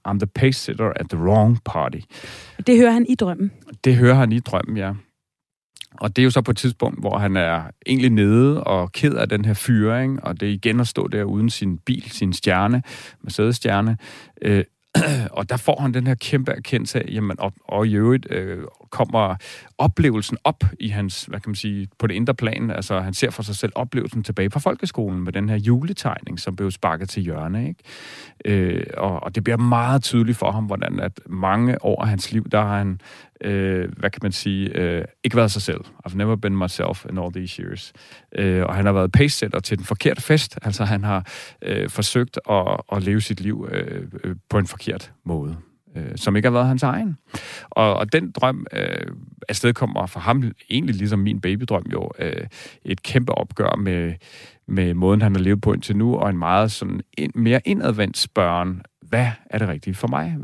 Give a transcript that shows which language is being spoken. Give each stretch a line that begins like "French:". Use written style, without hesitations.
English: I'm the pace sitter at the wrong party.
Danish: Det hører han i drømmen. Det hører han i drømmen, ja. Og det er jo så på et tidspunkt, hvor han er egentlig nede og ked af den her fyring, og det er igen at stå der uden sin bil, sin stjerne, Mercedes-stjerne. Og der får han den her kæmpe erkendelse af, jamen, og i øvrigt kommer oplevelsen op i hans, hvad kan man sige, på det indre plan. Altså, han ser for sig selv oplevelsen tilbage på folkeskolen med den her juletegning, som blev sparket til hjørne, ikke? Og det bliver meget tydeligt for ham, hvordan at mange år af hans liv, der har han, hvad kan man sige, ikke været sig selv.
English: I've never been myself in all these years.
Danish: Og han har været pacesetter til den forkerte fest. Altså, han har forsøgt at leve sit liv på en forkert måde, som ikke har været hans egen. Og den drøm afstedkommer for ham, egentlig ligesom min babydrøm jo, et kæmpe opgør med måden, han har levet på indtil nu, og en meget sådan mere indadvendt spørgen, hvad er det rigtige for mig?